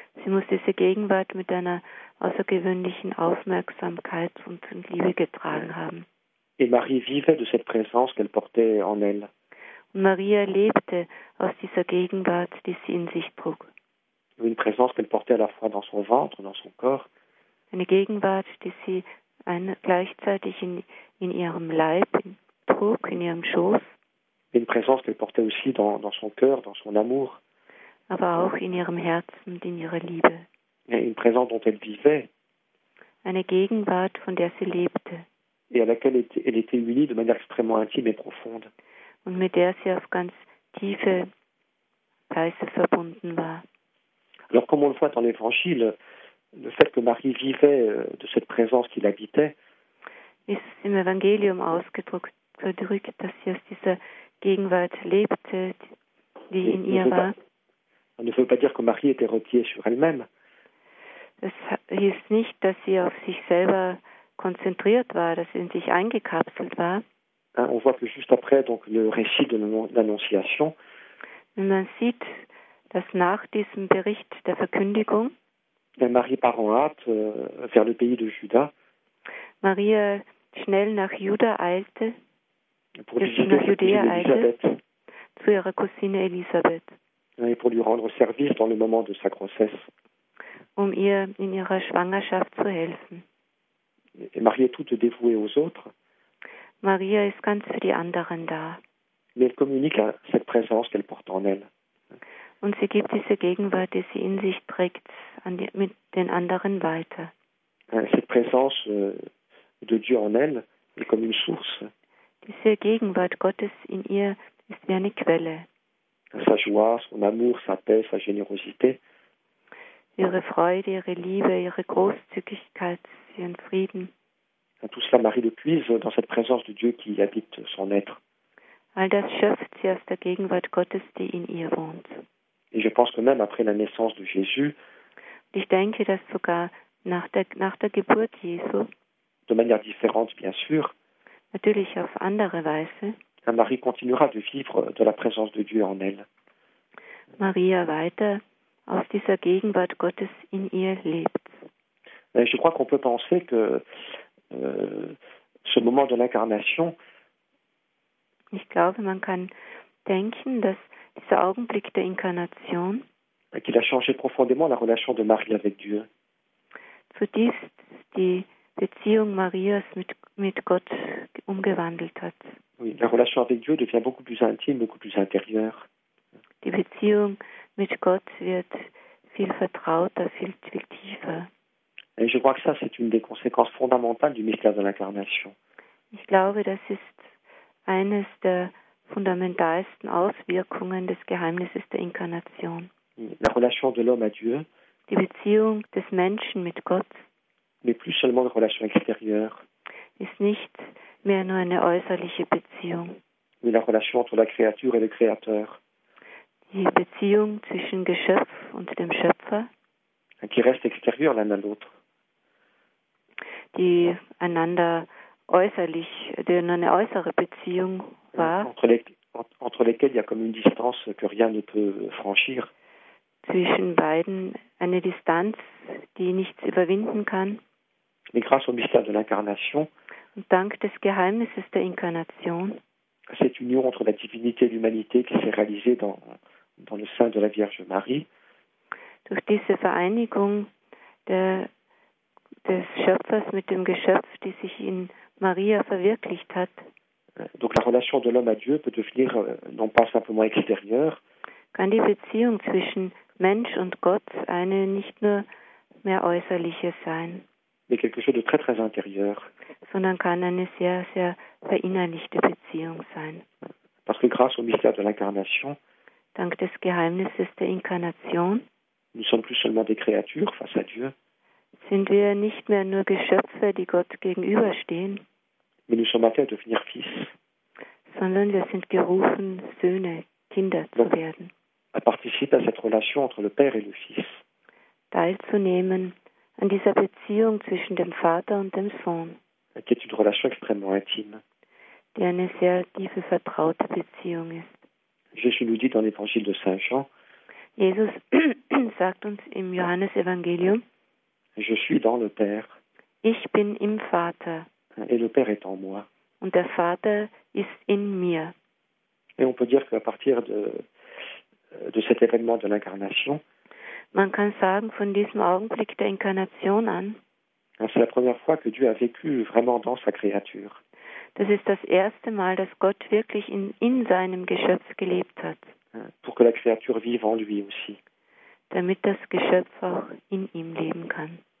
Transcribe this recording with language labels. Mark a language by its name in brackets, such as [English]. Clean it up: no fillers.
[German] Sie musste diese Gegenwart mit einer außergewöhnlichen Aufmerksamkeit und Liebe getragen haben. [French] Et Marie vivait de cette présence qu'elle portait en elle. [German] Und Maria lebte aus dieser Gegenwart, die sie in sich trug. [French] Une présence qu'elle portait à la fois dans son ventre, dans son corps. [German] Eine Gegenwart, die sie gleichzeitig in ihrem Leib trug, in ihrem Schoß. [French] Une présence qu'elle portait aussi dans son cœur, dans son amour. [German] Aber auch in ihrem Herzen und in ihrer Liebe. [French] Et une présence dont elle vivait. [German] Eine Gegenwart, von der sie lebte. [French] Et à laquelle elle était unie de manière extrêmement intime et profonde. [German] Und mit der sie auf ganz tiefe Weise verbunden war. [French] Alors comme on le voit dans l'Évangile, le fait que Marie vivait de cette présence qui l'habitait, [German] ist im Evangelium ausgedrückt, dass sie aus dieser Gegenwart lebte, die in ihr war. [French] On ne veut pas dire que Marie était repliée sur elle-même. [German] Es hieß nicht, dass sie auf sich selber konzentriert war, dass sie in sich eingekapselt war. [French] On voit que juste après donc le récit de l'Annonciation, [German] man sieht, dass nach diesem Bericht der Verkündigung, [French] Marie part en hâte vers le pays de Juda. [German] Maria schnell nach Juda eilte. [French] Pour visiter Judée Elisabeth. [German] Zu ihrer Cousine Elisabeth. [French] Et pour lui rendre service dans le moment de sa grossesse. [German] Um ihr in ihrer Schwangerschaft zu helfen. [French] Et Marie est toute dévouée aux autres. [German] Maria ist ganz für die anderen da. [French] Mais elle communique cette présence qu'elle porte en elle. [German] Und sie gibt diese Gegenwart, die sie in sich trägt, mit den anderen weiter. [French] Cette présence de Dieu en elle est comme une source. [German] Diese Gegenwart Gottes in ihr ist wie eine Quelle. [French] Sa joie, son amour, sa paix, sa générosité. [German] Ihre Freude, ihre Liebe, ihre Großzügigkeit, ihren Frieden. [French] Tout cela, Marie le puise dans cette présence de Dieu qui habite son être. [German] All das schöpft sie aus der Gegenwart Gottes, die in ihr wohnt. [French] Et je pense que même après la naissance de Jésus, [German] ich denke, dass sogar nach der Geburt Jesu, [French] de manière différente, bien sûr, [German] natürlich auf andere Weise, [French] Marie continuera de vivre de la présence de Dieu en elle. [German] Maria weiter aus dieser Gegenwart Gottes in ihr lebt. [French] Et je crois qu'on peut penser que ce moment de l'incarnation, [German] ich glaube, man kann denken, dass dieser Augenblick der Inkarnation, [French] qu'il a changé profondément la relation de Marie avec Dieu, [German] zutiefst die Beziehung Marias mit Gott umgewandelt hat. [French] Oui, la relation avec Dieu devient beaucoup plus intime, beaucoup plus intérieure. [German] Die Beziehung mit Gott wird viel vertrauter, viel tiefer. [French] Et je crois que ça, c'est une des conséquences fondamentales du mystère de l'incarnation. [German] Ich glaube, das ist eines der fundamentalsten Auswirkungen des Geheimnisses der Inkarnation. [French] La relation de l'homme à Dieu. [German] Die Beziehung des Menschen mit Gott. [French] Mais plus seulement une relation extérieure. [German] Ist nicht mehr nur eine äußerliche Beziehung. [French] Mais la relation entre la créature et le créateur. [German] die Beziehung zwischen Geschöpf und dem Schöpfer, [French] qui reste extérieur l'un à l'autre, [German] die einander äußerlich, die eine äußere Beziehung war, [French] entre lesquelles il y a comme une distance que rien ne peut franchir, [German] zwischen beiden eine Distanz, die nichts überwinden kann. [French] Mais grâce au mystère de l'incarnation, [German] und dank des Geheimnisses der Inkarnation, [French] cette union entre la divinité et l'humanité qui s'est réalisée dans le sein de la Vierge Marie, [German] durch diese Vereinigung des Schöpfers mit dem Geschöpf, die sich in Maria verwirklicht hat, [French] donc la relation de l'homme à Dieu peut devenir non pas simplement extérieure, [German] kann die Beziehung zwischen Mensch und Gott eine nicht nur mehr äußerliche sein, [French] mais quelque chose de très très intérieur, [German] sondern kann eine sehr sehr verinnerlichte Beziehung sein. [French] Parce que grâce au mystère de l'incarnation, [German] dank des Geheimnisses der Inkarnation, [French] nous sommes plus seulement des créatures face à Dieu, [German] sind wir nicht mehr nur Geschöpfe, die Gott gegenüberstehen, [French] mais nous sommes appelés à devenir fils, [German] sondern wir sind gerufen, Söhne, Kinder zu werden, [French] à participer à cette relation entre le Père et le Fils, [German] teilzunehmen an dieser Beziehung zwischen dem Vater und dem Sohn, [French] qui est une relation extrêmement intime, [German] die eine sehr tiefe, vertraute Beziehung ist. [French] Jésus nous dit dans l'évangile de Saint Jean, [German] Jesus sagt uns im Johannesevangelium, [French] je suis dans le Père, [German] ich bin im Vater, [French] et le Père est en moi, [German] und der Vater ist in mir. [French] Et on peut dire qu'à partir de cet événement de l'incarnation, [German] man kann sagen, von diesem Augenblick der Inkarnation an, [French] c'est la première fois que Dieu a vécu vraiment dans sa créature. [German] Das ist das erste Mal, dass Gott wirklich in seinem Geschöpf gelebt hat. [French] Pour que la créature vive en lui aussi. [German] Damit das Geschöpf auch in ihm leben kann.